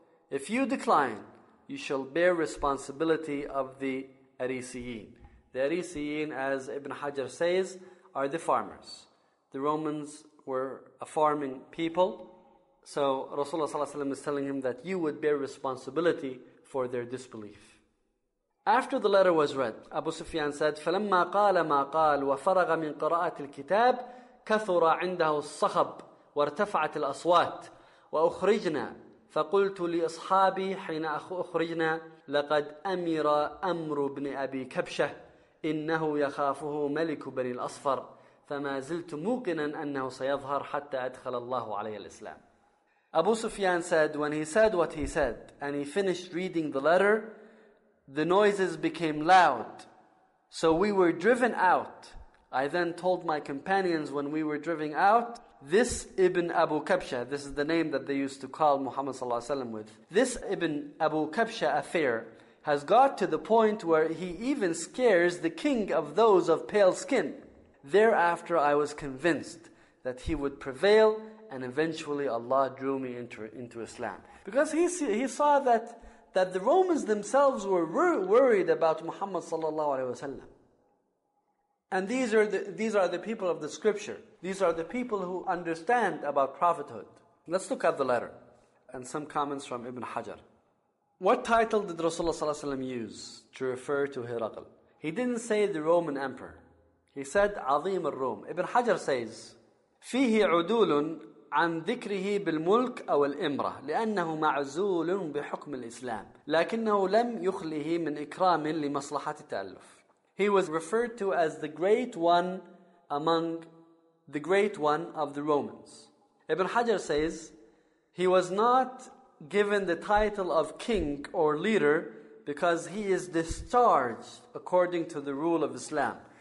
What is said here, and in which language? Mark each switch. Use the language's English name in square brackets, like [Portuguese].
[English] If you decline, you shall bear responsibility of the Arisiyin. The Arisiyin, as Ibn Hajar says, are the farmers. The Romans were a farming people. So Rasulullah ﷺ is telling him that you would bear responsibility for their disbelief. After the letter was read, Abu Sufyan said, [Arabic] فَلَمَّا قَالَ مَا قَالَ وَفَرَغَ مِنْ قَرَاءَةِ الْكِتَابِ كَثُرَ عِنْدَهُ الصَّخَبُ وَارْتَفَعَتِ الْأَصْوَاتِ وَأُخْرِجْنَا فَقُلْتُ لِأَصْحَابِي حِينَ أُخْرِجْنَا لَقَدْ أَمِرَ أَمْرُ بْنِ أَبِي كَبْشَةِ إِنَّهُ يَخَافُهُ مَلِكُ بَنِي الْأَصْفَرِ فَمَا زِلْتُ مُوقِنًا أَنَّهُ سَيَظْهَرْ حَتَّى أَدْخَلَ اللَّهُ عَلَيْهِ الْإِسْلَامِ. [English] Abu Sufyan said, when he said what he said, and he finished reading the letter, the noises became loud. So we were driven out. I then told my companions when we were driven out, this Ibn Abu Kabsha, this is the name that they used to call Muhammad sallallahu alaihi wasallam with, this Ibn Abu Kabsha affair has got to the point where he even scares the king of those of pale skin. Thereafter I was convinced that he would prevail, and eventually Allah drew me into Islam. Because he saw that the Romans themselves were worried about Muhammad sallallahu alaihi wasallam. And these are the people of the scripture. These are the people who understand about prophethood. Let's look at the letter and some comments from Ibn Hajar. What title did Rasulullah sallallahu alaihi wasallam use to refer to Hiraql? He didn't say the Roman emperor. He said Azim al-Rum. Ibn Hajar says, [Arabic] فيه عدول عن ذكره بالملك أو الإمرة لأنه معزول بحكم الإسلام لكنه لم يخله من إكرام لمصلحة التألف. [English] He was referred to as the great one among the great one of the Romans. Ibn Hajar says, he was not given the title of king or leader because he is discharged according to the rule of Islam.